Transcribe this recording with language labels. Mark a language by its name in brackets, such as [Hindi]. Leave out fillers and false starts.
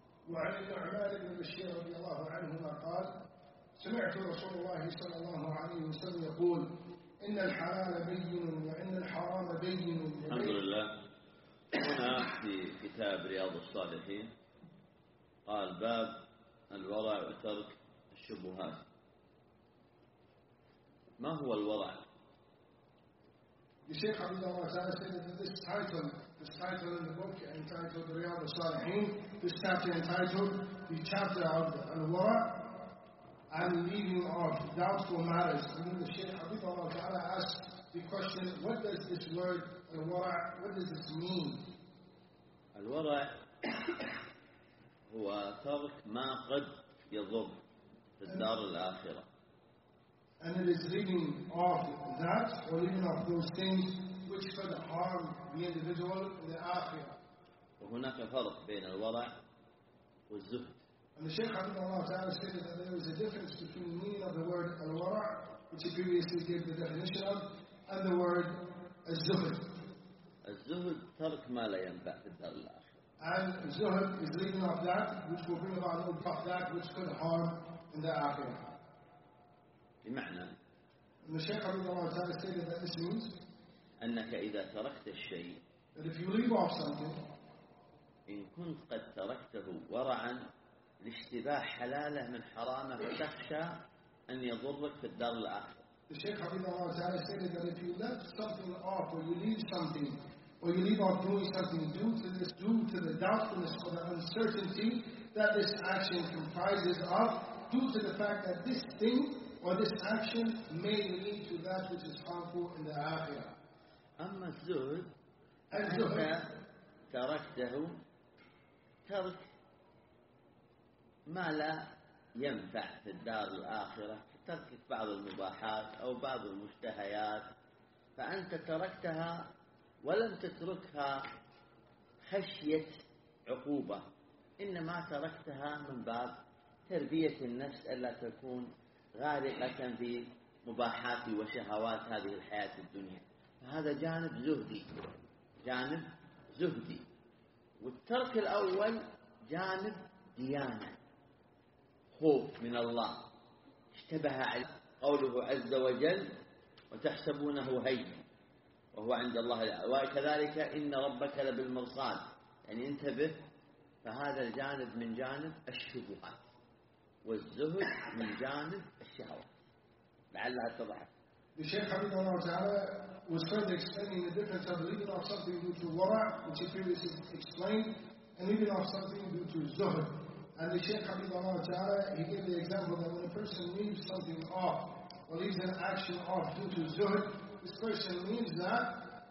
[Arabic] وعن النعمان بن بشير رضي الله عنهما قال سمعت رسول الله صلى الله عليه وسلم يقول إن الحلال بين وإن الحرام بين. الحمد لله في كتاب رياض الصالحين قال باب الورع وترك الشبهات. ما هو الورع؟ [English] الشيخ عبد الله تعالى said that this title in the book entitled رياض الصالحين, this chapter entitled the chapter of الورع and leaving off doubtful matters. And then the Shaykh Habib Allah Ta'ala asked the question, what does this word, al-wara', what does this mean? [Arabic] Al-wara' هو ترك ما قد يضر في الدار الآخرة. [English] And it is leaving off that, or leaving off those things, which could harm the individual in the آخرة. [Arabic] وهناك فرق بين الورع والزهد. [English] And the Shaykh Habib Allah Ta'ala said that there is a difference between the meaning of the word al-wara', which he previously gave the definition of, and the word al-zuhud. [Arabic] Al-zuhud tarik ma la yanba' fi dar al-akhirah. [English] And zuhud is leaving off that which will bring about an impact that which could harm in the akhirah. [Arabic] بمعنى. [English] And the Shaykh Habib Allah Ta'ala said that this means [Arabic] أنك إذا تركت الشيء [English] that if you leave off something [Arabic] إن كنت قد تركته ورعاً لاشتباه حلاله من حرامه وتخشى أن يضرك في الدار الآخر. [English] The Shaykh Habib Allah Ta'ala said that if you left something off or you leave something or you leave off doing something due to the doubtfulness or the uncertainty that this action comprises of, due to the fact that this thing or this action may lead to that which is harmful in the Akhirah. [Arabic] أما الزهد الزهد تركته ترك ما لا ينفع في الدار الآخرة، تركت بعض المباحات أو بعض المشتهيات، فأنت تركتها ولم تتركها خشية عقوبة، إنما تركتها من باب تربية النفس ألا تكون غارقة في مباحات وشهوات هذه الحياة الدنيا. فهذا جانب زهدي، جانب زهدي، والترك الأول جانب ديانة، خوف من الله اشتبه على قوله عز وجل وتحسبونه هين وهو عند الله. وكذلك إن ربك لبالمرصاد، يعني انتبه. فهذا الجانب من جانب الشبهات، والزهد من جانب الشهوات. لعلها تضحك. [English] The Shaykh Habib Allah Ta'ala was further explaining the difference of leaving off something due to ورع, which he previously explained, and leaving off something due to زهد. And the Shaykh Habib Allah Ta'ala, he gave the example that when a person leaves something off, or leaves an action off due to zuhud, this person means that